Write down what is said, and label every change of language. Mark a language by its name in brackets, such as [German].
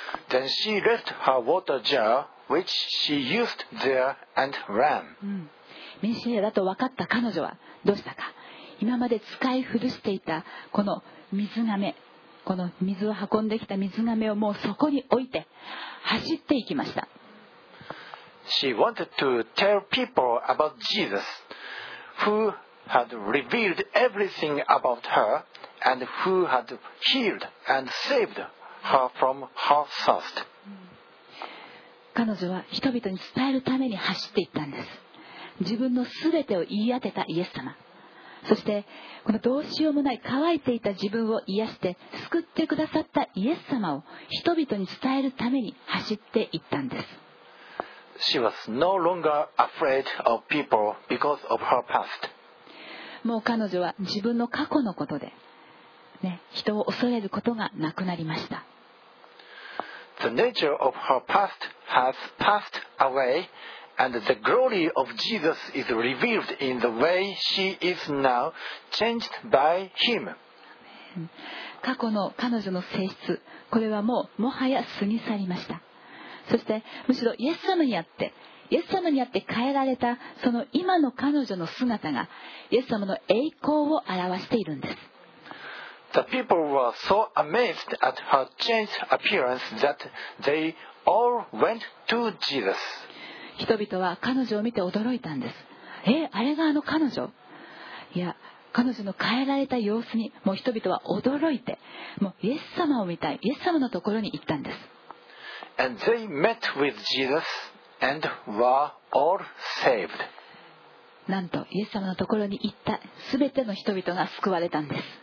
[English] Then she left her water jar, which she used there, and ran. [Japanese] メシアだと分かった彼女はどうしたか。今まで使い古していたこの水がめ、この水を運んできた水がめをもうそこに置いて走っていきました。 [English] She wanted to tell people about Jesus, who had revealed everything about her and who had healed and saved her from her thirst. [Japanese] 彼女は人々に伝えるために走っていったんです。自分のすべてを言い当てたイエス様、そしてこのどうしようもない乾いていた自分を癒して救ってくださったイエス様を人々に伝えるために走っていったんです。 [English] She was no longer afraid of people because of her past. [Japanese] もう彼女は自分の過去のことで、ね、人を恐れることがなくなりました。 [English] The nature of her past has passed awayAnd the glory of Jesus is revealed in the way she is now changed by Him. [Japanese] 過去の彼女の性質、これはもうもはや過ぎ去りました。そしてむしろイエス様にあって、イエス様にあって変えられたその今の彼女の姿がイエス様の栄光を表しているんです。 [English] The people were so amazed at her changed appearance that they all went to Jesus. [Japanese] 人々は彼女を見て驚いたんです。え、あれがあの彼女、いや、彼女の変えられた様子にもう人々は驚いて、もうイエス様を見たい、イエス様のところに行ったんです。 [English] And they met with Jesus and were all saved. [Japanese] なんとイエス様のところに行った全ての人々が救われたんです。